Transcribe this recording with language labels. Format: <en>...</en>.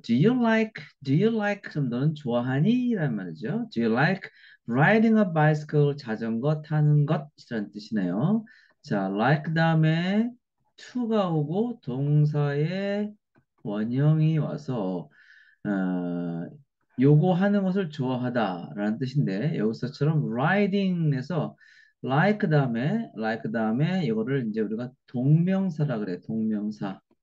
<en>Do you like</en> <ko>좀 너는 좋아하니? 라는 말이죠.</ko> <en>Do you like riding a bicycle?</en> <ko>자전거 타는 것? 이라는 뜻이네요. 자, like 다음에 to가 오고 동사의 원형이 와서 요거 하는 것을 좋아하다라는 뜻인데 여기서처럼 riding에서 like 다음에 이거를 이제 우리가 동명사라 그래. 동명사.</ko>